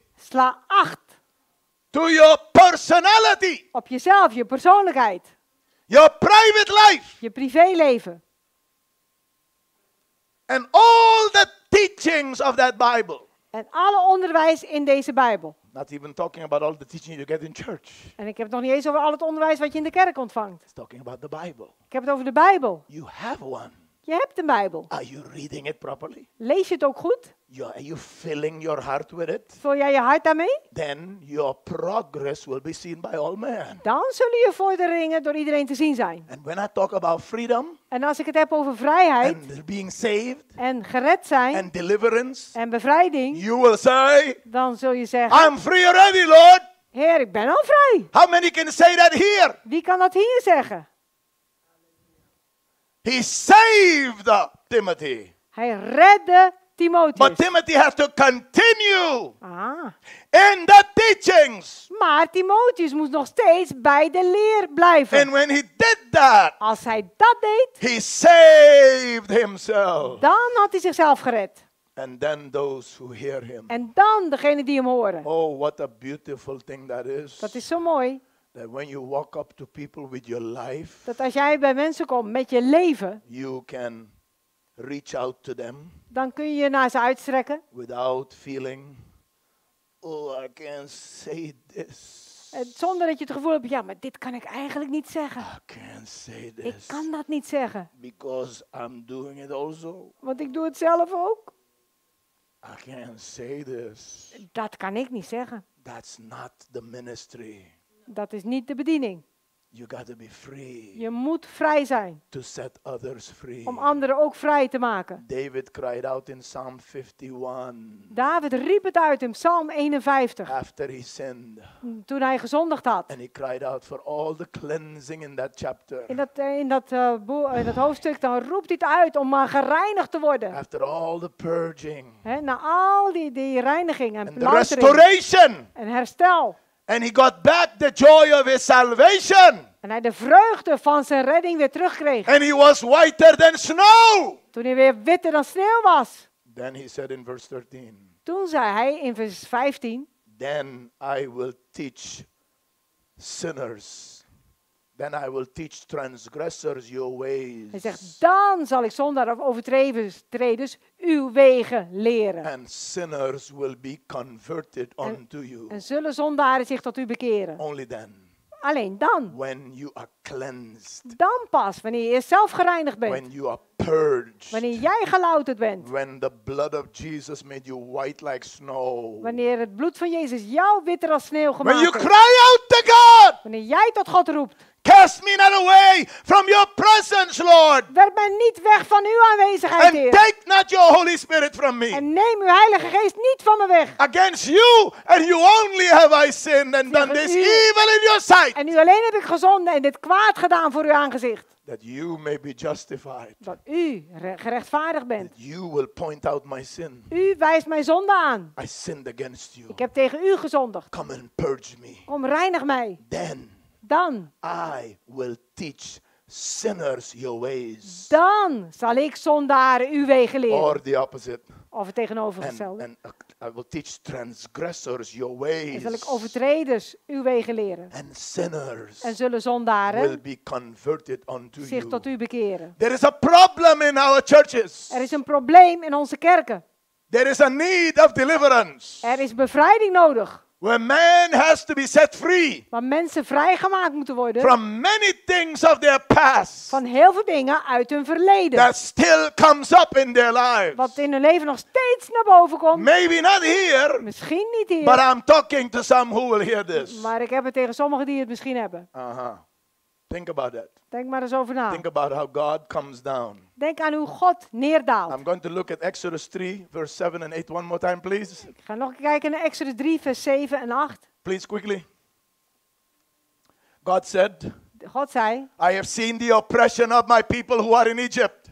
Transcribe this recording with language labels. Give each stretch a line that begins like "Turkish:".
Dutch: Sla acht.
English: To your personality.
Dutch: Op jezelf, je persoonlijkheid.
English: Your private life.
Dutch: Je privéleven.
English: And all the teachings of that Bible.
Dutch: En alle onderwijs in deze Bijbel.
English: Not even talking about all the teaching you get in church.
Dutch: En ik heb het nog niet eens over al het onderwijs wat je in de kerk ontvangt.
English: It's talking about the Bible.
Dutch: Ik heb het over de Bijbel.
English: You have one.
Dutch: Je hebt een Bijbel.
English: Are you reading it properly?
Dutch: Lees je het ook goed?
English: Yeah, are you filling your heart with it?
Dutch: Vul jij je hart daarmee?
English: Then your progress will be seen by all men.
Dutch: Dan zullen je vorderingen door iedereen te zien zijn.
English: And when I talk about freedom.
Dutch: En als ik het heb over vrijheid.
English: And being saved.
Dutch: En gered zijn.
English: And deliverance.
Dutch: En bevrijding.
English: You will say.
Dutch: Dan zul je zeggen.
English: I'm free already, Lord.
Dutch: Heer, ik ben al vrij.
English: How many can say that here?
Dutch: Wie kan dat hier zeggen?
English: He saved Timothy.
Dutch: Hij redde Timotheus.
English: But Timothy has to continue. Ah. In the teachings.
Dutch: Maar Timotheus moest nog steeds bij de leer blijven.
English: And when he did that.
Dutch: Als hij dat deed.
English: He saved himself.
Dutch: Dan had hij zichzelf gered.
English: And then those who hear him.
Dutch: En dan degene die hem horen.
English: Oh, what a beautiful thing that is.
Dutch: Dat is zo mooi.
English: That when you walk up to people with your life,
Dutch: dat als jij bij mensen komt met je leven,
English: you can reach out to them.
Dutch: Dan kun je naar ze uitstrekken.
English: Without feeling, oh, I can't say this.
Dutch: En zonder dat je het gevoel hebt, ja, maar dit kan ik eigenlijk niet zeggen.
English: I can't say this.
Dutch: Ik kan dat niet zeggen.
English: Because I'm doing it also.
Dutch: Want ik doe het zelf ook.
English: I can't say this.
Dutch: Dat kan ik niet zeggen.
English: That's not the ministry.
Dutch: Dat is niet de bediening.
English: You gotta be free.
Dutch: Je moet vrij zijn.
English: To set others free.
Dutch: Om anderen ook vrij te maken.
English: David cried out in Psalm 51.
Dutch: David riep het uit in Psalm 51.
English: After he sinned.
Dutch: Toen hij gezondigd had.
English: And he cried out for all the cleansing in that chapter.
Dutch: In dat hoofdstuk dan roept hij het uit om maar gereinigd te worden.
English: After all the purging.
Dutch: He, na al die reiniging en
English: plantering. Restoration.
Dutch: En herstel.
English: And he got back the joy of his salvation.
Dutch: En hij de vreugde van zijn redding weer terugkreeg.
English: And he was whiter than snow.
Dutch: Toen hij weer witter dan sneeuw was.
English: Then he said in verse 13.
Dutch: Toen zei hij in vers 15.
English: Then I will teach sinners. Then I will teach transgressors your ways.
Dutch: Hij zegt, dan zal ik zondaar of overtreders uw wegen leren.
English: And sinners will be converted unto you.
Dutch: En zullen zondaren zich tot u bekeren.
English: Only then.
Dutch: Alleen dan.
English: When you are cleansed.
Dutch: Dan pas, wanneer je zelf gereinigd bent.
English: When you are purged.
Dutch: Wanneer jij gelouterd bent.
English: When the blood of Jesus made you white like snow.
Dutch: Wanneer het bloed van Jezus jou witter als sneeuw gemaakt
English: heeft. When you cry out to God.
Dutch: Wanneer jij tot God roept.
English: Cast me not away from your presence, Lord.
Dutch: Werp mij niet weg van uw aanwezigheid,
English: and
Dutch: Heer.
English: And take not your Holy Spirit from me.
Dutch: En neem uw Heilige Geest niet van me weg.
English: Against you and you only have I sinned and done this evil in your sight.
Dutch: En u alleen heb ik gezonden en dit kwaad gedaan voor uw aangezicht.
English: That you may be justified.
Dutch: Dat u gerechtvaardigd bent.
English: That you will point out my sin.
Dutch: U wijst mijn zonde aan.
English: I sinned against you.
Dutch: Ik heb tegen u gezondigd.
English: Come and purge me.
Dutch: Kom, reinig mij.
English: Then.
Dutch: Dan.
English: I will teach sinners your ways.
Dutch: Dan zal ik zondaren uw wegen leren.
English: Or the opposite.
Dutch: Of het tegenovergestelde.
English: And I will teach transgressors your ways.
Dutch: En zal ik overtreders uw wegen leren.
English: And sinners.
Dutch: En zullen zondaren.
English: Will be converted unto you.
Dutch: Zich tot u bekeren.
English: There is a problem in our churches.
Dutch: Er is een probleem in onze kerken.
English: There is a need of deliverance.
Dutch: Er is bevrijding nodig.
English: Where man has to be set free.
Dutch: Waar mensen vrijgemaakt moeten worden.
English: From many things of their past.
Dutch: Van heel veel dingen uit hun verleden.
English: That still comes up in their lives.
Dutch: Wat in hun leven nog steeds naar boven komt.
English: Maybe not here.
Dutch: Misschien niet hier.
English: But I'm talking to some who will hear this.
Dutch: Maar ik heb het tegen sommigen die het misschien hebben.
English: Think about that.
Dutch: Denk maar eens over na.
English: Think about how God comes down.
Dutch: Denk aan hoe God neerdaalt.
English: I'm going to look at Exodus 3, verse 7 and 8 one more time, please.
Dutch: Ik ga nog kijken naar Exodus 3, vers 7 en 8.
English: Please, quickly. God said,
Dutch: God zei,
English: I have seen the oppression of my people who are in Egypt.